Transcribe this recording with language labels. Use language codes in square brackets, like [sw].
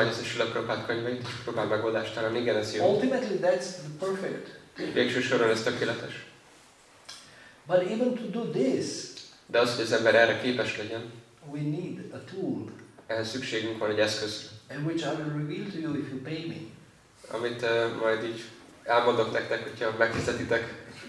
[hu] Ez a Prabhupád könyveit, és próbál megoldást találni. Igen, ez jó. [en] Ultimately, that's the perfect. [hu] Végső soron ez tökéletes. [en] But even to do this, [hu] de az, hogy az ember erre képes legyen, [en] we need a tool. [hu] Ehhez szükségünk van egy eszköz. [en] And which I will reveal to you if you pay me. [hu] Amit majd így elmondok nektek, hogyha megfizetitek.